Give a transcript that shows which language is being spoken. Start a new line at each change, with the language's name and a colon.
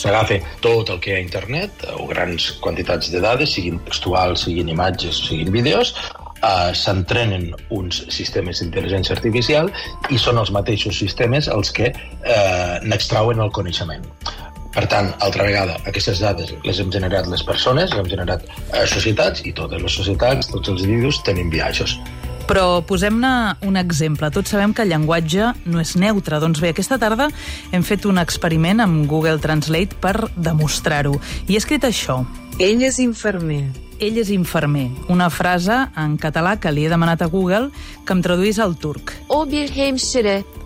Catalan: Agafa tot el que hi ha a internet, o grans quantitats de dades, siguin textuals, siguin imatges, siguin vídeos, s'entrenen uns sistemes d'intel·ligència artificial i són els mateixos sistemes els que n'extrauen el coneixement. Per tant, altra vegada, aquestes dades les hem generat les persones, les hem generat societats, i totes les societats, tots els individus, tenim biaixos. Però posem-ne un exemple. Tots sabem que el llenguatge no és neutre. Doncs bé, aquesta tarda hem fet un experiment amb Google Translate per demostrar-ho. I he escrit això. Ell és infermer. Ell és infermer. Una frase en català que li he demanat a Google que em traduís al turc.
Turkish: O bir hemşire.